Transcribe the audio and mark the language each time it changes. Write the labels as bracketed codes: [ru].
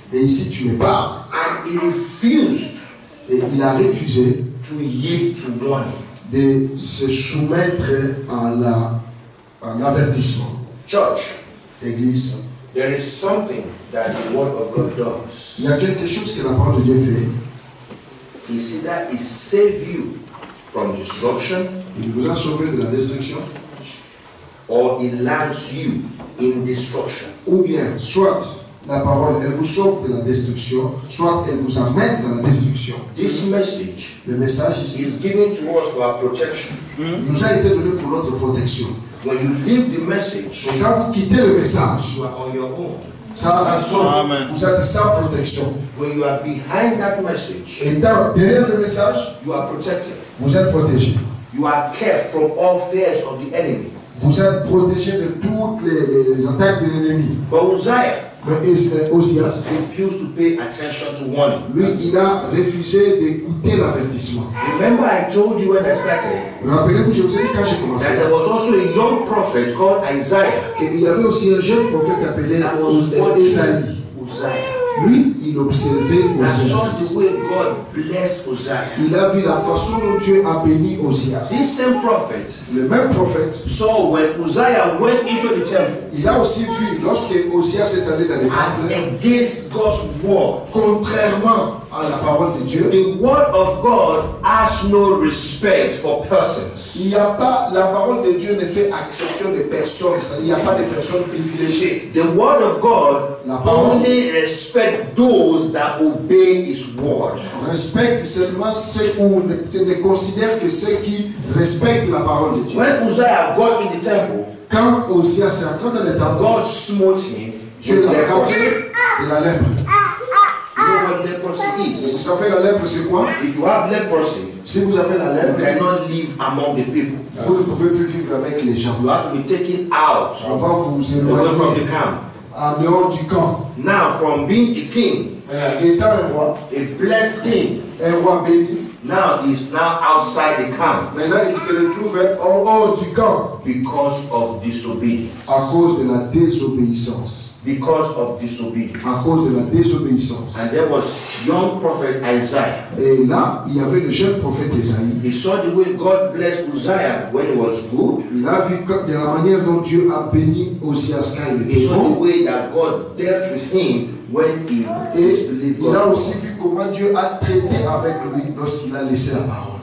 [fr] Et ici tu me parles. [en] And he refused. [fr] Et il a refusé. [en] To yield to one. [fr] De se soumettre à la un avertissement. [en] Church, [fr] église. [en] There is something that the word of God does. [fr] Il y a quelque chose que la parole de Dieu fait. [en] Is it that it saves you from destruction? [fr] Il vous a sauvé de la destruction. [en] Or it lands you in destruction. [fr] Ou bien, soit la parole elle vous sauve de la destruction, soit elle vous amène dans la destruction. [en] This message, [fr] le message ici, [en] is given to us for our protection. [fr] Nous a été donné pour notre protection. [en] When you leave the message, [fr] quand vous quittez le message, [en] you are on your own. [fr] Sans amen. Vous êtes sans protection. [en] When you are behind that message, [fr] étant derrière le message, [en] you are protected. [fr] Vous êtes protégé. [en] You are kept from all fears of the enemy. [fr] Vous êtes protégé de toutes les attaques de l'ennemi. [en] But Uzziah, [fr] mais Ozias, [en] refused to pay attention to one. [fr] Lui, il a refusé d'écouter l'avertissement. [en] Remember, I told you when I started. [fr] Rappelez-vous, je vous ai dit quand j'ai commencé. [en] That there was also a young prophet called Isaiah. [fr] Qu'il y avait aussi un jeune prophète appelé Ozias. [en] Uzziah. [fr] Lui, il observait Ozias. [en] The way God blessed Ozias. [fr] Il a vu la façon dont Dieu a béni Ozias. [en] This same prophet. [fr] Le même prophète. [en] So when Uzziah went into the temple. [fr] Il a aussi vu lorsque Ozias est allé dans le temple. [en] Against God's word. [fr] Contrairement à la parole de Dieu. [en] The word of God has no respect for persons. [fr] Il n'y a pas, la parole de Dieu ne fait exception de personnes, il n'y a pas de personnes privilégiées. [en] The word of God only respect those that obey his word. [fr] Respecte seulement ceux qui ne considèrent que ceux qui respectent la parole de Dieu. [en] When Uzziah got in the temple, [fr] quand Uzziah s'est entré dans le temple, [en] God smote him, [fr] Dieu l'a frappé et l'a lèpre. [en] You know what leprosy is? [fr] Vous savez la lèpre c'est quoi? [en] If you have leprosy, [fr] si vous avez la lèpre, [en] you cannot live among the people. [fr] Vous ne pouvez plus vivre avec les gens. [en] You have to be taken out. [fr] Avant vous éloigner. [en] Away from the camp. [fr] En dehors du camp. [en] Now from being a king, [fr] étant un roi, [en] a blessed king, [fr] un roi béni. [en] Now he is now outside the camp. [fr] Maintenant il se retrouve en dehors du camp. [en] Because of disobedience. [fr] À cause de la désobéissance. [en] Because of disobedience. [fr] À cause de la désobéissance. [en] And there was young prophet Isaiah. [fr] Et là, il y avait le jeune prophète Isaïe. [en] He saw the way God blessed Uzziah when he was good. [fr] Il a vu de la manière dont Dieu a béni Ozias quand il était bon. [en] He saw the way that God dealt with him when he disbelieved. [fr] Il a aussi vu comment Dieu a traité avec lui lorsqu'il a laissé la parole.